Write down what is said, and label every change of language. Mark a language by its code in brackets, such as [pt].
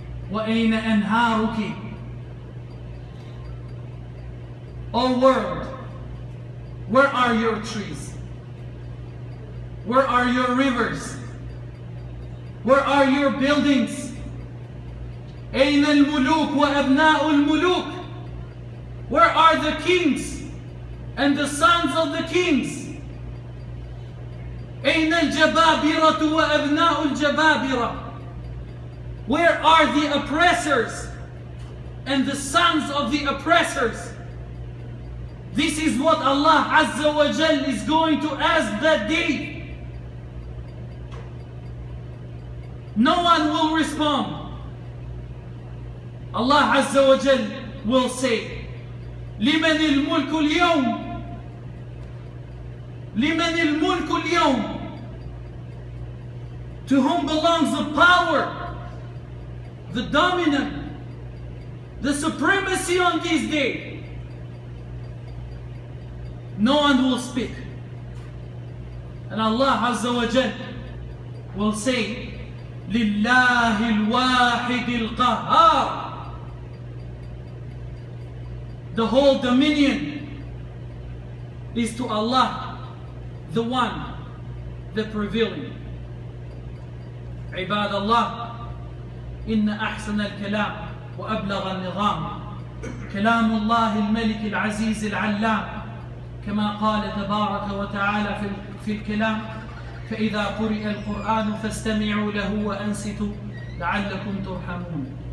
[ar] Wa Aina Anharuki? [en] O world, where are your trees? Where are your rivers? Where are your buildings? [ar] أين الملوك وأبناء الملوك? [en] Where are the kings and the sons of the kings? [ar] أين الجبابرة وأبناء الجبابرة? [en] Where are the oppressors and the sons of the oppressors? This is what Allah Azza wa Jal is going to ask that day. No one will respond. Allah Azza wa Jal will say, [ar] لمن الملك اليوم? لمن الملك اليوم? [en] To whom belongs the power, the dominant, the supremacy on this day? no one will speak. And Allah Azza wa Jal will say, [ar] لِلَّهِ الْوَاحِدِ الْقَهَارِ. [en] The whole dominion is to Allah, the one, the prevailing. [ar] عباد الله إن أحسن الكلام وأبلغ النظام كلام الله الملك العزيز العلام كما قال تبارك وتعالى في الكلام فإذا قرئ القرآن فاستمعوا له وأنصتوا لعلكم ترحمون.